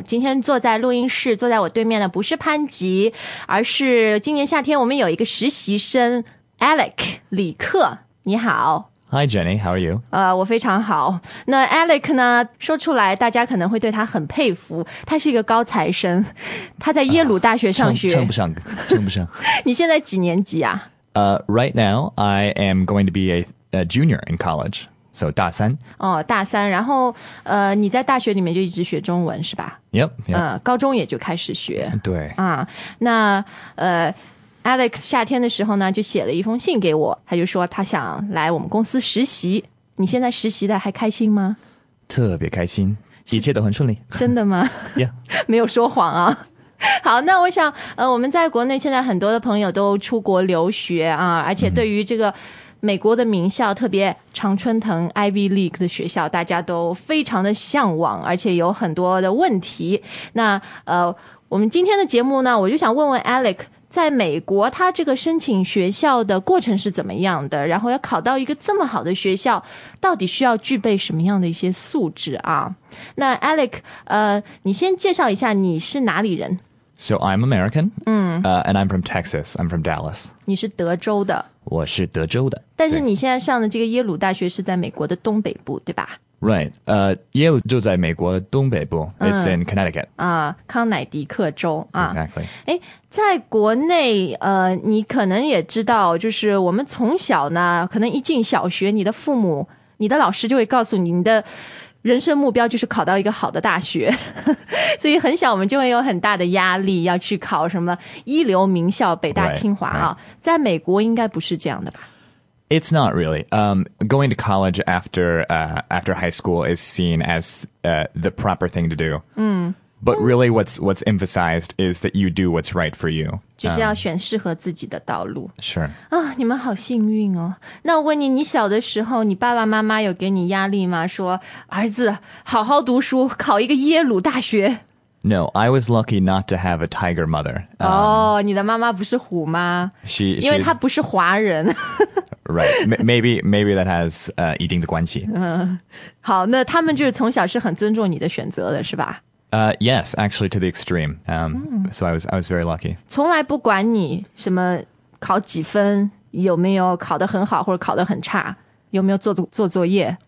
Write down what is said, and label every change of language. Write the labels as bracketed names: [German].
[Chinese] 今天坐在录音室，坐在我对面的不是潘吉，而是今年夏天我们有一个实习生 Alec 李克。你好。 [English] Hi Jenny, how are you? [Chinese] 我非常好。那 Alec 呢，说出来大家可能会对他很佩服，他是一个高材生，他在耶鲁大学上学。称不上。你现在几年级啊？ [English] Right now, I am going to be a junior in college, so [Chinese] 大三。哦，大三，然后你在大学里面就一直学中文是吧？ [English] Yep, yep. [Chinese] 高中也就开始学。对。那Alex 夏天的时候呢，就写了一封信给我，他就说他想来我们公司实习。你现在实习的还开心吗？特别开心，一切都很顺利。真的吗？ [English] Yeah. [Chinese] 没有说谎啊。好，那我想我们在国内现在很多的朋友都出国留学啊，而且对于这个美国的名校，特别常春藤 Ivy League 的学校，大家都非常的向往，而且有很多的问题。那我们今天的节目呢，我就想问问 Alec， 在美国他这个申请学校的过程是怎么样的，然后要考到一个这么好的学校到底需要具备什么样的一些素质啊。那 Alec， 你先介绍一下你是哪里人。 [English] So I'm American, and I'm from Texas, I'm from Dallas. [Chinese] 你是德州的。我是德州的。但是你现在上的这个耶鲁大学是在美国的东北部，对吧？ Right, 耶鲁就在美国东北部， [English] it's in Connecticut. [Chinese] 康乃狄克州。 [English] Exactly. [Chinese] 在国内你可能也知道，就是我们从小呢，可能一进小学，你的父母，你的老师就会告诉你，你的人生目标就是考到一个好的大学，所以很小我们就会有很大的压力，要去考什么一流名校，北大清华啊。 [English] Right, right. [Chinese] 在美国应该不是这样的吧？ [English] It's not really. Going to college after high school is seen as the proper thing to do. But really what's emphasized is that you do what's right for you. [Chinese] 就是要选适合自己的道路。 [English] Sure. [Chinese] 你们好幸运哦。那我问你，你小的时候你爸爸妈妈有给你压力吗？说儿子好好读书，考一个耶鲁大学。 [English] No, I was lucky not to have a tiger mother. [Chinese] 你的妈妈不是虎妈。 [English] She, [Chinese] 因为她不是华人。 [English] Right, maybe that has [Chinese] 一定的关系。好，那他们就是从小是很尊重你的选择的是吧？ [English] Yes, actually to the extreme. So I was very lucky. [Chinese] 从来不管你什么考几分，有没有考得很好或者考得很差，有没有做作业。